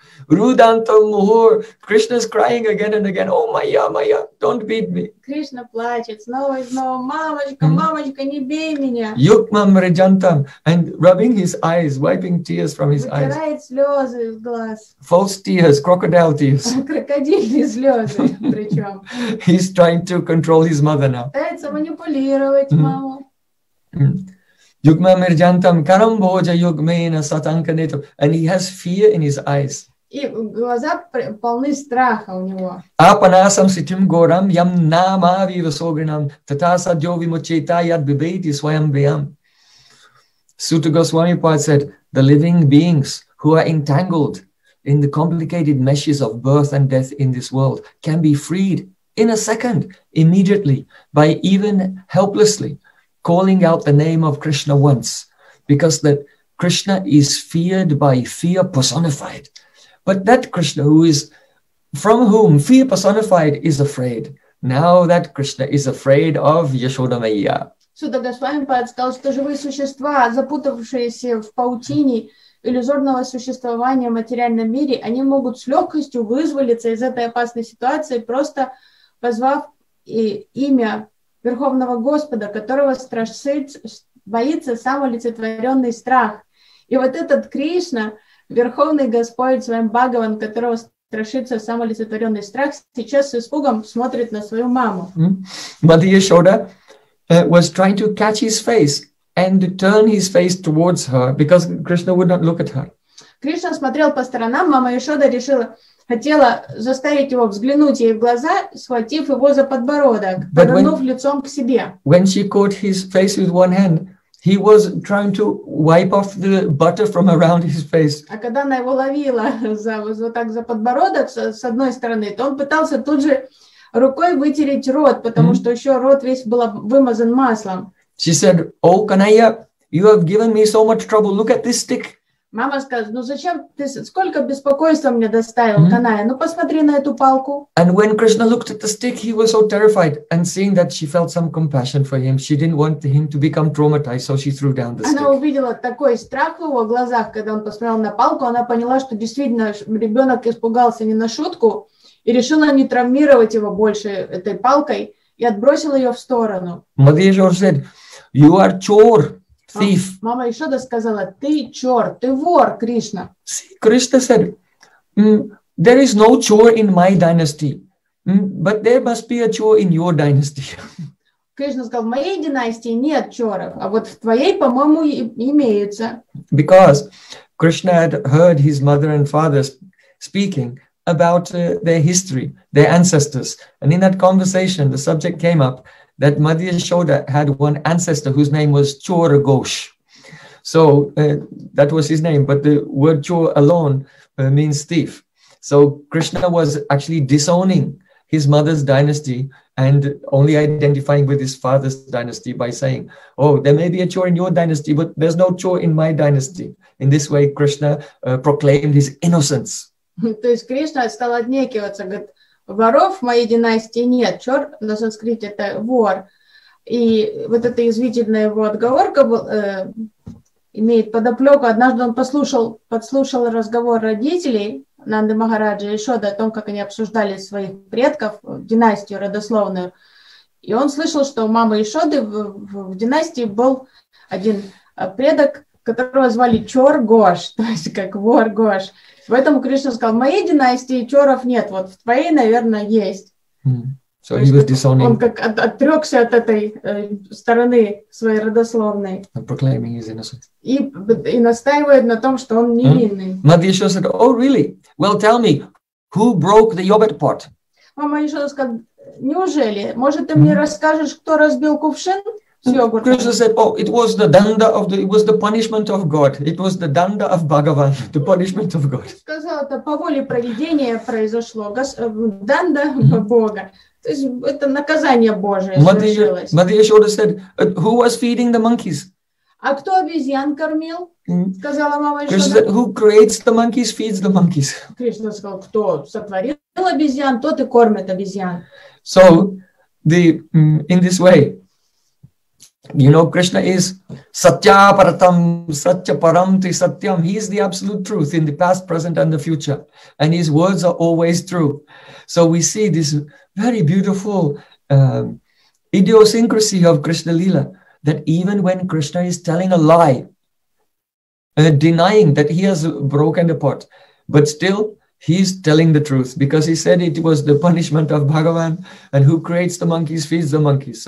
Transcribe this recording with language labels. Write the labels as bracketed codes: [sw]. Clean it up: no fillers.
[sa] Rudanta Muhur, [en] Krishna is crying again and again. Oh, Maya, Maya, don't beat me. [ru] Krishna плачет снова и снова. Мамочка, мамочка, не бей меня. [sa] Yukmam Rajantam, [en] and rubbing his eyes, wiping tears from his eyes. [ru] Вытирает слезы из глаз. [en] False tears, crocodile tears. [ru] Крокодильные слезы, причем. [en] He's trying to control his mother now. [ru] Пытается манипулировать маму. [sa] Yukmam Rajantam, karam bhoja yugmena satankanetam. [en] And he has fear in his eyes. [ru] И глаза полны страха у него. [sa] Апанасам ситим горам ям намави высогринам татаса дёви мочейта яд бибейти своям бьям. [en] Сута Госвами Пад said, the living beings who are entangled in the complicated meshes of birth and death in this world can be freed in a second, immediately, by even helplessly calling out the name of Krishna once, because that Krishna is feared by fear personified. But that Krishna who is from whom fear personified is afraid. Now that Krishna is afraid of Yashoda Maiya. [ru] Сюда Госвами Пад сказал, что живые существа, запутавшиеся в паутине иллюзорного существования в материальном мире, они могут с легкостью вызволиться из этой опасной ситуации, просто позвав имя Верховного Господа, которого боится сам олицетворенный страх. И вот этот Кришна, Верховный Господь, своим Бхагаван, которого страшится самолицетворенный страх, сейчас с испугом смотрит на свою маму. [en] Madhya Yashoda was trying to catch his face and turn his face towards her because Krishna would not look at her. [ru] Кришна смотрел по сторонам, мама Яшода хотела заставить его взглянуть ей в глаза, схватив его за подбородок, повернув лицом к себе. [en] When she caught his face with one hand, he was trying to wipe off the butter from around his face. [ru] А когда она его ловила за вот так за подбородок с одной стороны, то он пытался тут же рукой вытереть рот, потому что еще рот весь был вымазан маслом. [en] She said, "Oh, Kanaya, you have given me so much trouble. Look at this stick." [ru] Мама сказала, ну зачем ты, сколько беспокойства мне доставил, Каная, ну посмотри на эту палку. [en] And when Krishna looked at the stick, he was so terrified, and seeing that she felt some compassion for him, she didn't want him to become traumatized, so she threw down the stick. [ru] Она увидела такой страх в его глазах, когда он посмотрел на палку, она поняла, что действительно ребенок испугался не на шутку, и решила не травмировать его больше этой палкой, и отбросила ее в сторону. [en] Madhya Yashoda said, you are chor. Thief. [ru] Мама Яшода сказала, ты чёрт, ты вор, Кришна. [en] Krishna said, there is no chor in my dynasty, but there must be a chor in your dynasty. [ru] Кришна сказал, в моей династии нет чёров, а вот в твоей, по-моему, имеются. [en] Because Krishna had heard his mother and father speaking, about their history, their ancestors. And in that conversation, the subject came up that Madhya Yashoda had one ancestor whose name was Chora Ghosh. So that was his name, but the word Chora alone means thief. So Krishna was actually disowning his mother's dynasty and only identifying with his father's dynasty by saying, oh, there may be a Chora in your dynasty, but there's no Chora in my dynasty. In this way, Krishna proclaimed his innocence. [ru] То есть Кришна стал отнекиваться, говорит, воров в моей династии нет, чор на санскрите это вор. И вот эта язвительная его отговорка имеет подоплеку. Однажды он подслушал разговор родителей Нанды Махараджи и Шоды о том, как они обсуждали своих предков, династию родословную. И он слышал, что у мамы Ишоды в династии был один предок, которого звали Чор Гош, то есть как вор Гош. Поэтому Кришна сказал, в моей династии чоров нет, вот в твоей, наверное, есть. [en] So he was disowning. [ru] Он как отрекся от этой стороны своей родословной. [en] And proclaiming his innocence. [ru] И настаивает на том, что он невинный. [en] Madhya Yashoda said, oh, really? Well, tell me, who broke the yogurt pot? [ru] Мама Ишода сказала, неужели? Может, ты мне расскажешь, кто разбил кувшин? [en] Krishna said, oh, it was the punishment of God. It was the danda of Bhagavan, the punishment of God. [ru] Сказал, это по воле проведения произошло, данда Бога. То есть это наказание Божие случилось. [en] Madhya Yashoda said, who was feeding the monkeys? [ru] А кто обезьян кормил? Сказала мама Ишода. [en] Krishna said, who creates the monkeys, feeds the monkeys. [ru] Кришна сказал, кто сотворил обезьян, тот и кормит обезьян. [en] So, in this way, you know, Krishna is [sa] satya paratam, satya paramti satyam. [en] He is the absolute truth in the past, present, and the future. And his words are always true. So we see this very beautiful idiosyncrasy of Krishna Leela, that even when Krishna is telling a lie, denying that he has broken the pot, but still he is telling the truth, because he said it was the punishment of Bhagavan, and who creates the monkeys feeds the monkeys.